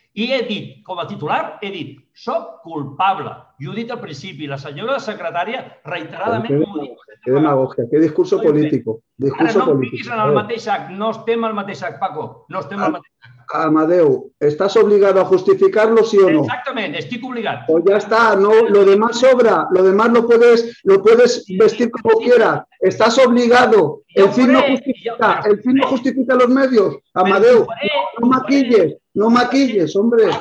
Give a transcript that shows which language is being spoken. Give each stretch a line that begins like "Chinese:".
Catalan: I he dit, com a titular, he dit, soc culpable. I ho he dit al principi, la senyora secretària reiteradament m'ho ha dit.
Spanish: Qué demagogia, qué discurso político. Discurso ahora no piques
Catalan: en el mateix sac, no estem al mateix sac, Paco. No estem al mateix sac.
Spanish: Amadeu, ¿estás obligado a justificarlo, sí o no? Exactamente, estoy obligado. Pues ya está, no, lo demás sobra, lo demás lo puedes vestir como quieras. Estás obligado, el fin no justifica los medios. Amadeu, no maquilles, hombre.